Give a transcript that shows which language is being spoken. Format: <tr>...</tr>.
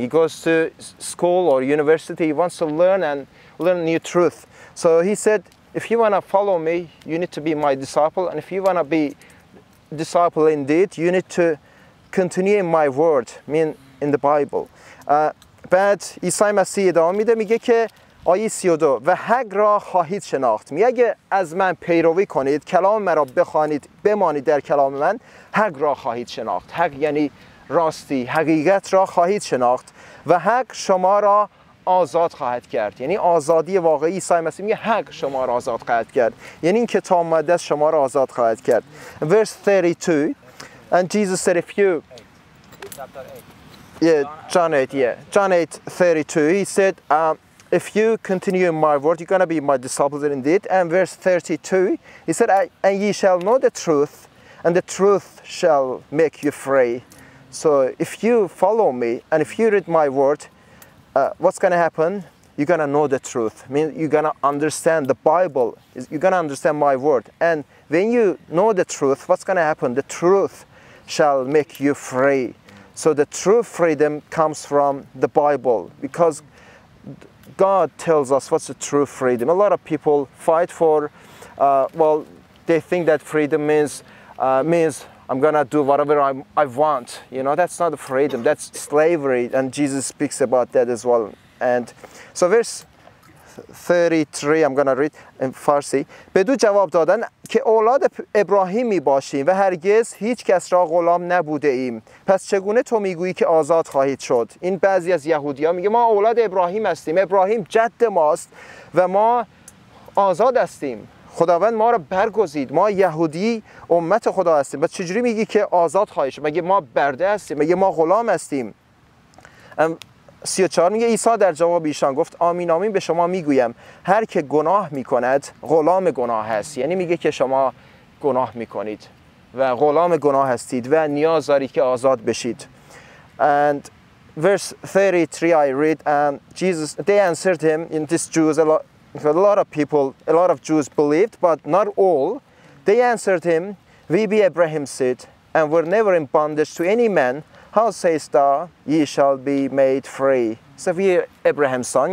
<en>He goes to school or university, he wants to learn and learn new truth. So he said, if you wanna follow me, you need to be my disciple. And if you wanna be disciple indeed, you need to continue in my word, mean in the Bible.</en> <fa>بعد عیسی مسیح ادامه میده، میگه که آیه 32 و حق را خواهید شناخت. میگه از من پیروی کنید، کلام مرا بخوانید، بمانید در کلام من، حق را خواهید شناخت. حق یعنی راستی، حقیقت را خواهید شناخت و حق شما را آزاد خواهد کرد. یعنی آزادی واقعی، عیسی مسیح میگه حق شما را آزاد خواهد کرد، یعنی این کتاب مقدس شما را آزاد خواهد کرد.</fa> <en>Verse 32. And Jesus said, if you, John 8:32, he said, if you continue in my word, you're going to be my disciples indeed. And verse 32, he said, and ye shall know the truth, and the truth shall make you free. So if you follow me, and if you read my word, what's going to happen? You're going to know the truth. I mean, you're going to understand the Bible. You're going to understand my word. And when you know the truth, what's going to happen? The truth shall make you free. So the true freedom comes from the Bible because God tells us what's the true freedom. A lot of people fight for, well, they think that freedom means I'm gonna do whatever I want. You know, that's not the freedom, that's slavery. And Jesus speaks about that as well. And so verse 33 I'm going to read in Farsi.</en> <fa>به دو جواب دادن که اولاد ابراهیم می باشیم و هرگز هیچ کس را غلام نبوده ایم. پس چگونه تو میگویی که آزاد خواهید شد؟ این بعضی از یهودی‌ها میگه ما اولاد ابراهیم هستیم. ابراهیم جد ماست و ما آزاد هستیم. خداوند ما را برگزید. ما یهودی امت خدا هستیم. بعد چجوری میگی که آزاد خواهیم شد؟ مگه ما برده هستیم؟ مگه ما غلام هستیم؟ 34 میگه عیسی در جواب ایشان گفت آمین آمین به شما میگویم هر که گناه میکند غلام گناه هست. یعنی میگه که شما گناه میکنید و غلام گناه هستید و نیاز دارید که آزاد بشید.</fa> <en>And verse 33 I read Jesus, they answered him, in this Jews, a lot of Jews believed, but not all. They answered him, we be Abraham's seed and were never in bondage to any man. How sayest thou, ye shall be made free? So we are Abraham's son.</en>